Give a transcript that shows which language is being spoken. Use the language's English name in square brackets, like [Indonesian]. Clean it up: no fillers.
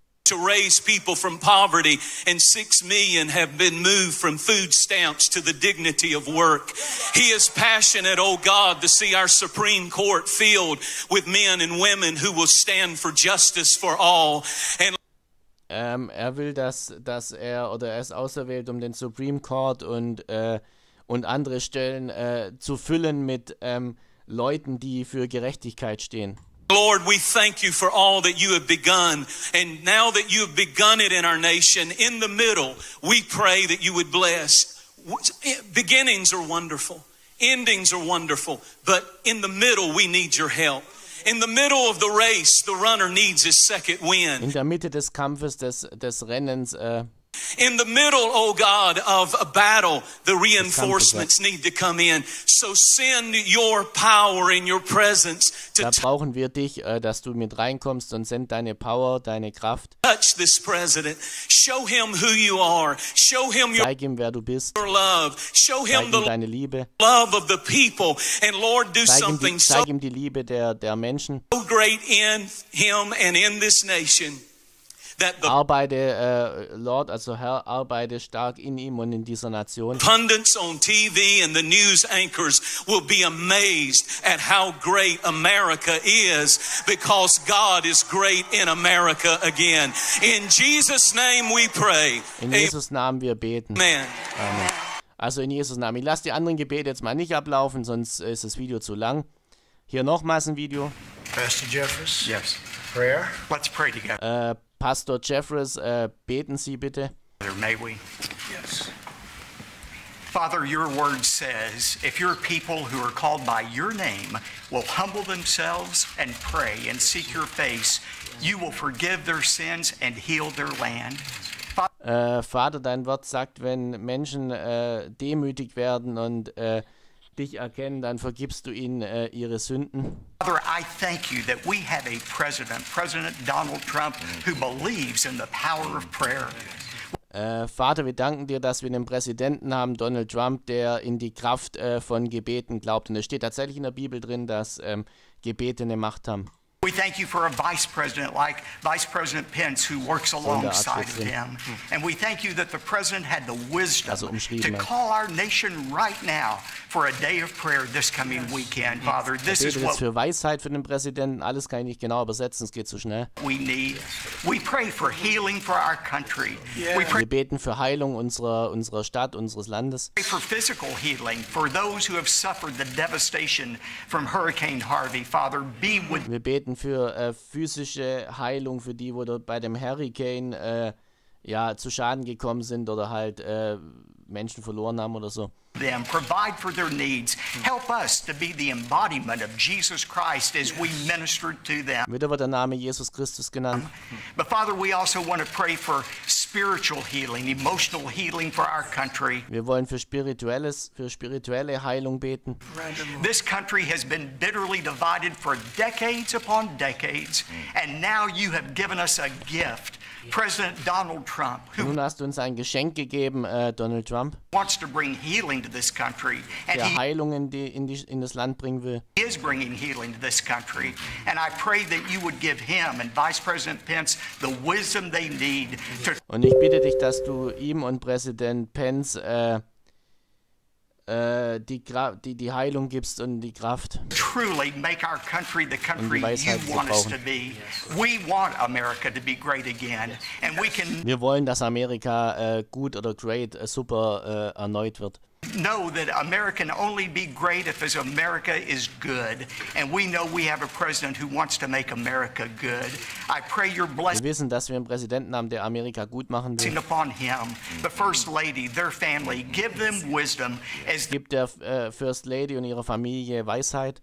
[English] To raise people from poverty, and 6 million have been moved from food stamps to the dignity of work. He is passionate, oh God, to see our Supreme Court filled with men and women who will stand for justice for all. And [German] er will, dass er oder er ist auserwählt, um den Supreme Court und andere Stellen zu füllen mit Leuten, die für Gerechtigkeit stehen. [English] Lord, we thank you for all that you have begun. And now that you have begun it in our nation, in the middle, we pray that you would bless. Beginnings are wonderful. Endings are wonderful. But in the middle, we need your help. In the middle of the race, the runner needs his second wind. [German] In der Mitte des Kampfes, des Rennens, [English] In the middle, oh God, of a battle, the reinforcements need to come in. So send your power and your presence to. [German] Da brauchen wir dich, dass du mit reinkommst und send deine Power, deine Kraft. [English] Touch this president. Show him who you are. Show him your. [German] Zeig ihm, wer du bist. [English] Your love. Show him the. [German] Zeig ihm deine Liebe. [English] Love of the people. And Lord, do something. [German] Zeig ihm die Liebe der Menschen. [English] So great in him and in this nation. [German] arbeite, Lord, also Herr, arbeite stark in ihm und in dieser Nation. [English] Pundits on TV and the news anchors will be amazed at how great America is, because God is great in America again. In Jesus' name we pray. [German] In Jesus' Namen wir beten. [English] Amen. Amen. [German] Also in Jesus' Namen. Ich lasse die anderen Gebete jetzt mal nicht ablaufen, sonst ist das Video zu lang. Hier nochmals ein Video. Pastor Jeffress. [English] Yes. Prayer. Let's pray together. [German] Pastor Jeffress, beten Sie bitte. [English] May we? Yes. Father, your word says, if your people who are called by your name will humble themselves and pray and seek your face, you will forgive their sins and heal their land. [German] Vater, dein Wort sagt, wenn Menschen demütig werden und dich erkennen, dann vergibst du ihnen ihre Sünden. [English] Father, I thank you that we have a president, President Donald Trump, who believes in the power of prayer. [German] Vater, wir danken dir, dass wir einen Präsidenten haben, Donald Trump, der in die Kraft von Gebeten glaubt. Und es steht tatsächlich in der Bibel drin, dass Gebete eine Macht haben. [English] We thank you for a vice president like Vice President Pence, who works alongside of him. And we thank you that the president had the wisdom to call our nation right now for a day of prayer this coming weekend. Father, this is what [German] für Weisheit für den Präsidenten. Alles kann ich nicht genau übersetzen, es geht zu schnell. [English] We need. We pray for healing for our country. [German] Wir beten für Heilung unserer Stadt, unseres Landes. [English] We pray for physical healing for those who have suffered the devastation from Hurricane Harvey. Father, be with. [German] Wir beten für physische Heilung für die, wo bei dem Hurricane ja zu Schaden gekommen sind oder halt Menschen verloren haben oder so. [English] Them, provide for their needs. Help us to be the embodiment of Jesus Christ as we minister to them. [German] Wieder wird der Name Jesus Christus genannt. [English] But Father, we also want to pray for spiritual healing, emotional healing for our country. [German] Wir wollen für spirituelle Heilung beten. [English] This country has been bitterly divided for decades upon decades, and now you have given us a gift. President Donald Trump. [German] Nun hast du uns ein Geschenk gegeben, Donald Trump. [English] Wants to bring healing to this country. [German] Der Heilung in das Land bringen will. [English] He is bringing healing to this country, and I pray that you would give him and Vice President Pence the wisdom they need to. [German] Und ich bitte dich, dass du ihm und Präsident Pence die Heilung gibst und die Kraft. [English] Truly make our country the country you want us to be. We want America to be great again, and we can. [German] Wir wollen, dass Amerika gut oder great, super erneut wird. [English] Know that America can only be great if America is good, and we know we have a president who wants to make America good. I pray your blessing. [German] Wir wissen, dass wir einen Präsidenten haben, der Amerika gut machen will. [English] Upon him, the First Lady, their family, give them wisdom as. [German] Gib der First Lady und ihrer Familie Weisheit.